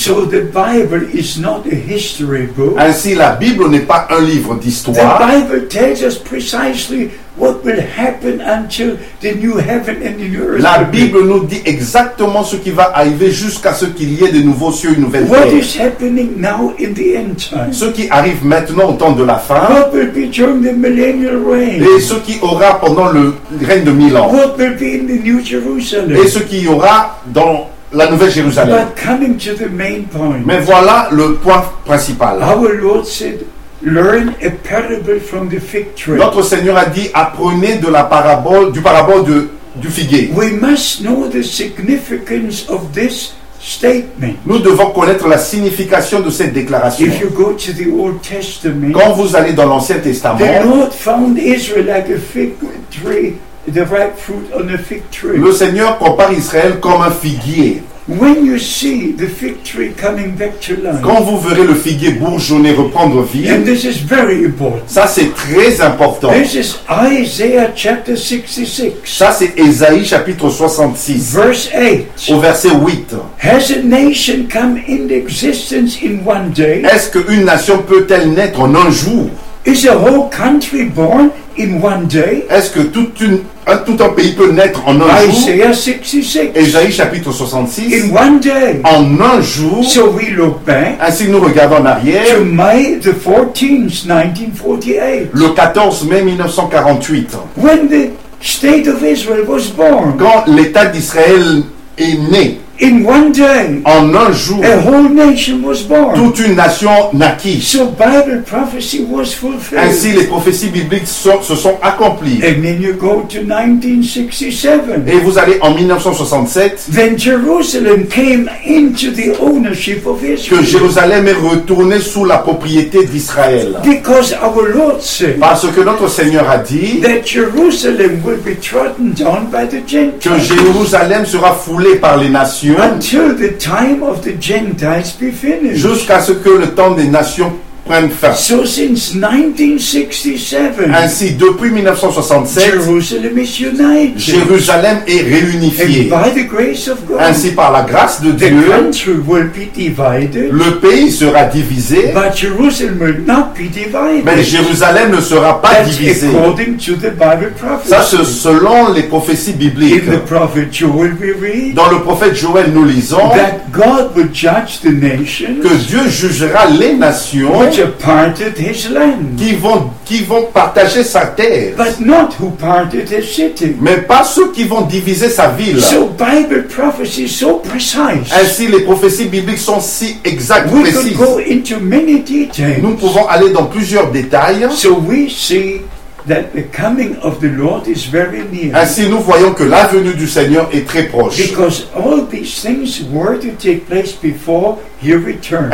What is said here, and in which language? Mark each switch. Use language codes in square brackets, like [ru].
[en] So the Bible is not a history book. [fr] Ainsi, la Bible n'est pas un livre d'histoire. [en] The Bible tells us precisely what will happen until the new heaven and the new earth. [fr] La Bible nous dit exactement ce qui va arriver jusqu'à ce qu'il y ait de nouveaux cieux et nouvelles terres. [en] What is happening now in the end time? [fr] Ce qui arrive maintenant au temps de la fin. [en] What will be during the millennial reign? [fr] Et ce qui aura pendant le règne de mille ans. [en] What will be in the new Jerusalem? [fr] Et ce qui y aura dans la nouvelle Jérusalem. [en] But coming to the main point. [fr] Mais voilà le point principal. [en] Our Lord said, learn a parable from the fig tree. [fr] Notre Seigneur a dit, apprenez de la parabole, du parabole de, du figuier. [en] We must know the significance of this statement. [fr] Nous devons connaître la signification de cette déclaration. [en] If you go to the Old Testament, [fr] quand vous allez dans l'Ancien Testament, [en] the Lord found Israel like a fig tree, the ripe fruit on a fig tree. [fr] Le Seigneur compare Israël comme un figuier. [en] When you see the fig tree coming back to life, [fr] quand vous verrez le figuier bourgeonner reprendre vie, [en] and this is very important. [fr] Ça c'est très important. [en] This is Isaiah chapter 66. [fr] Ça c'est Ésaïe chapitre 66. [en] Verse 8. [fr] Au verset 8. [en] Has a nation come into existence in one day? [fr] Est-ce qu'une nation peut-elle naître en un jour? [en] Is a whole country born in one day? [fr] Est-ce que toute une tout un pays peut naître en un jour? [en] Isaiah 66. [fr] Ésaïe chapitre 66. [en] In one day. [fr] En un jour. [en] So we look back. [fr] Ainsi nous regardons en arrière. [en] To May the 14th, 1948. [fr] Le 14 mai 1948. [en] When the state of Israel was born. [fr] Quand l'État d'Israël est né. [en] In one day, [fr] en un jour, [en] a whole nation was born. [fr] Toute une nation naquit. [en] So Bible prophecy was fulfilled. [fr] Ainsi, les prophéties bibliques sont, se sont accomplies. [en] And then you go to 1967. [fr] Et vous allez en 1967. [en] Then Jerusalem came into the ownership of Israel. [fr] Que Jérusalem est retournée sous la propriété d'Israël. [en] Because our Lord said, [fr] parce que notre Seigneur a dit, [en] that Jerusalem will be trodden down by the Gentiles. [fr] Que Jérusalem sera foulée par les nations. [en] Until the time of the Gentiles be finished. [fr] Jusqu'à ce que le temps des nations prenne fin. [en] So since 1967, [fr] ainsi depuis 1967, Jérusalem est réunifié. [en] And by the grace of God, [fr] ainsi par la grâce de [en] the [fr] Dieu, [en] country will be divided, [fr] le pays sera divisé, [en] but Jerusalem will not be divided. [fr] Mais Jérusalem ne sera pas divisé. [en] According to the Bible prophecy. [fr] Ça c'est selon les prophéties bibliques. [en] In the prophet Joel we read, [fr] dans le prophète Joël nous lisons [en] that God will judge the nations, [fr] que Dieu jugera les nations [en] which have parted his land. [fr] Qui vont partager sa terre. [en] But not who parted his city. [fr] Mais pas ceux qui vont diviser sa ville. [en] So Bible prophecy is so precise. [fr] Ainsi les prophéties bibliques sont si exactes, [en] we [fr] précises. [en] We could go into many details. [fr] Nous pouvons aller dans plusieurs détails. [en] So we see that the coming of the Lord is very near. [fr] Ainsi nous voyons que la venue du Seigneur est très proche. [en] Because all these things were to take place before he returns.